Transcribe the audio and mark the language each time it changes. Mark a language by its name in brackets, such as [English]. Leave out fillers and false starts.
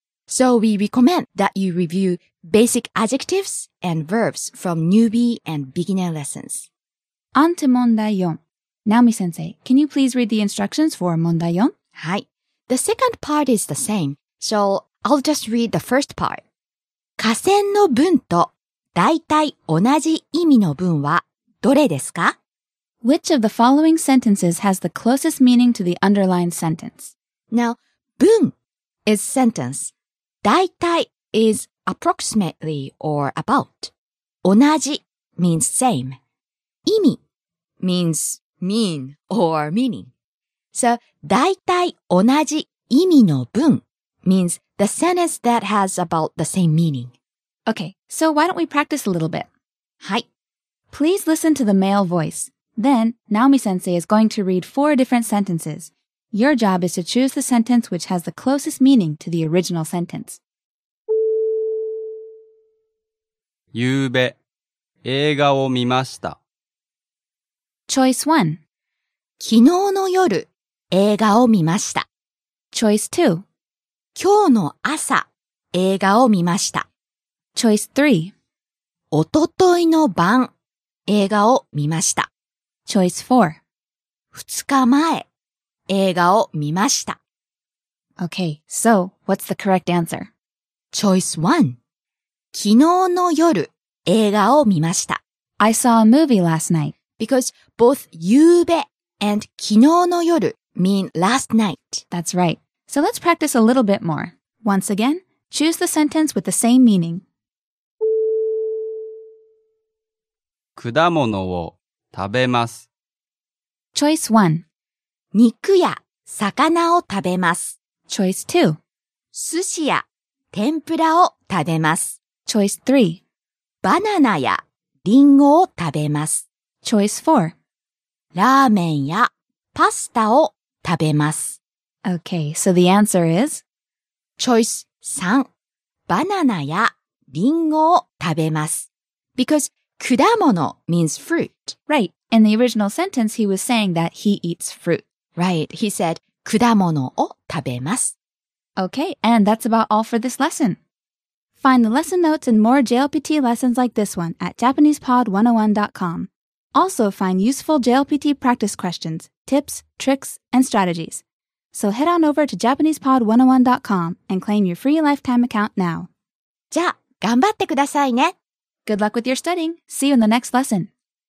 [English] So we recommend that you review basic adjectives and verbs from newbie and beginner lessons. On to 問題 4. Naomi-sensei, can you please read the instructions for 問題 4? [Japanese] はい。 [English] The second part is the same, so I'll just read the first part. [Japanese] 河川の文と大体同じ意味の文はどれですか? [English] Which of the following sentences has the closest meaning to the underlined sentence? Now, 文 is sentence. 大体 is approximately or about. 同じ means same. 意味 means mean or meaning. So, [Japanese] 大体同じ意味の文 [English] means the sentence that has about the same meaning. Okay, so why don't we practice a little bit? [Japanese] はい。 [English] Please listen to the male voice. Then, Naomi-sensei is going to read 4 different sentences. Your job is to choose the sentence which has the closest meaning to the original sentence. [Japanese] ゆうべ、映画を見ました。 [English] Choice 1. [Japanese] 昨日の夜、映画を見ました。 [English] Choice 2. [Japanese] 今日の朝、映画を見ました。 [English] Choice [Japanese] 3. おとといの晩、映画を見ました。 [English] Choice 4. [Japanese] 二日前、映画を見ました。 [English] Okay, so, what's the correct answer? Choice 1. [Japanese] 昨日の夜、映画を見ました。 [English] I saw a movie last night. Because both 夕べ and 昨日の夜 mean last night. That's right. So let's practice a little bit more. Once again, choose the sentence with the same meaning. [Japanese] 果物を食べます。 [English] Choice [Japanese] 1. 肉や魚を食べます。 [English] Choice 2. [Japanese] 寿司や天ぷらを食べます。 [English] Choice 3. [Japanese] バナナやリンゴを食べます。 [English] Choice 4. [Japanese] ラーメンやパスタを食べます。 [English] Okay, so the answer is? Choice 3. [Japanese] バナナやリンゴを食べます。 [English] Because 果物 means fruit. Right, in the original sentence he was saying that he eats fruit. Right, he said [Japanese] 果物を食べます。 [English] Okay, and that's about all for this lesson. Find the lesson notes and more JLPT lessons like this one at JapanesePod101.com. Also find useful JLPT practice questions, tips, tricks, and strategies. So head on over to JapanesePod101.com and claim your free lifetime account now. [Japanese] じゃあ、頑張ってくださいね。 [English] Good luck with your studying. See you in the next lesson.